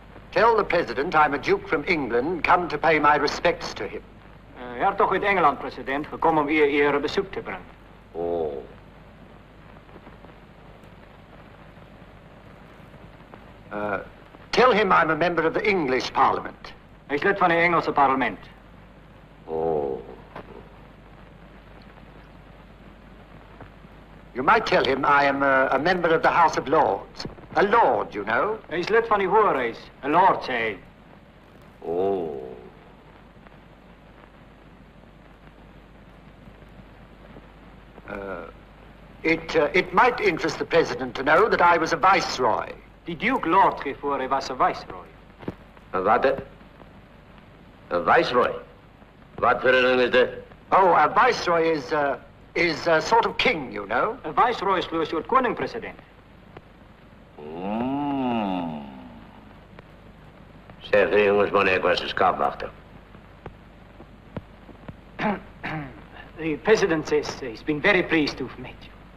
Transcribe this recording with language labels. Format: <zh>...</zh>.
<en>Tell the President I'm a duke from England, come to pay my respects to him.</en> <nl>Hertog uit Engeland, president, gekomen om hier een bezoek te brengen.</nl> <en>Tell him I'm a member of the English Parliament.</en> <nl>Hij is lid van het Engelse parlement. Oh.</nl> <en>You might tell him I am a member of the House of Lords. A lord, you know.</en> <nl>Hij is lid van die Hoge Raad.</nl> <en>A lord,</en> <nl>zei hij. Oh.</nl> <en>It might interest the president to know that I was a viceroy.</en> <nl>Die Duke Lord geeft voor, hij was een viceroy. Wat? Een viceroy? Wat voor een ding is dat?</nl> <en>Oh,</en> <nl>een</nl> <en>viceroy is a sort of king, you know.</en> <nl>Een viceroy is voor een soort koning, president. Zeg, jongens, man, ik was een schaapwachter.</nl> <en>The president says he's been very pleased to have met you.</en>